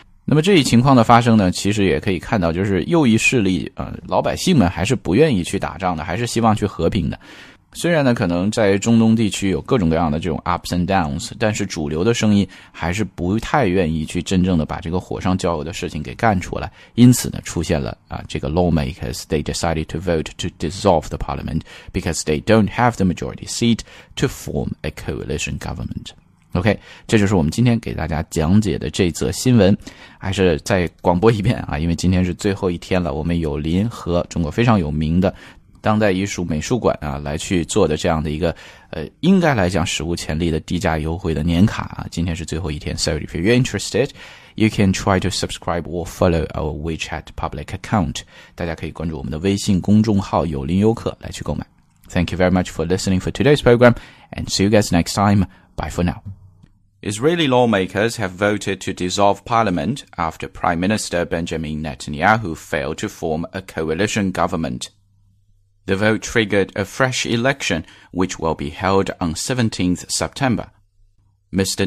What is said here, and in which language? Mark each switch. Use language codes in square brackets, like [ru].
[zh] 那么这一情况的发生呢，其实也可以看到，就是右翼势力老百姓们还是不愿意去打仗的，还是希望去和平的。虽然呢可能在中东地区有各种各样的这种 [en] ups and downs， [zh] 但是主流的声音还是不太愿意去真正的把这个火上浇油的事情给干出来。因此呢出现了这个 [en] lawmakers， they decided to vote to dissolve the parliament because they don't have the majority seat to form a coalition government。 [zh] OK， 这就是我们今天给大家讲解的这则新闻，还是再广播一遍啊，因为今天是最后一天了，我们友邻和中国非常有名的当代艺术美术馆啊来去做的这样的一个应该来讲史无前例的低价优惠的年卡啊，今天是最后一天。 [en] So if you're interested, you can try to subscribe or follow our WeChat public account. [zh] 大家可以关注我们的微信公众号有林游客来去购买。 [en] Thank you very much for listening for today's program and see you guys next time. Bye for now. Israeli lawmakers have voted to dissolve parliament after Prime Minister Benjamin Netanyahu failed to form a coalition government. The vote triggered a fresh election, which will be held on 17th September. Mr.